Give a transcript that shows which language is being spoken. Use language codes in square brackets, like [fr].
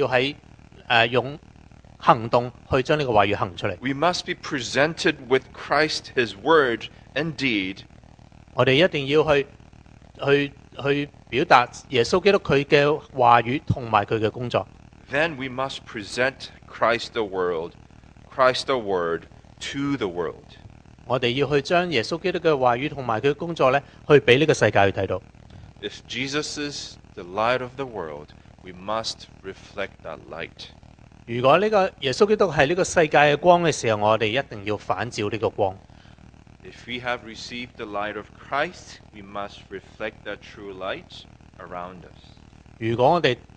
[en] We must be presented with Christ, His word and deed. [zh] 我们一定要去表达耶稣基督他的话语和他的工作。 [en] Then we must present Christ the world, Christ the word to the world. [zh] 我们要去将耶稣基督的话语和他的工作去给这个世界去看到。 [en] If Jesus is the light of the world, we must reflect that light. [zh] 如果耶稣基督是这个世界的光的时候，我们一定要反照这个光。 [en] If we have received the light of Christ, we must reflect that true light around us.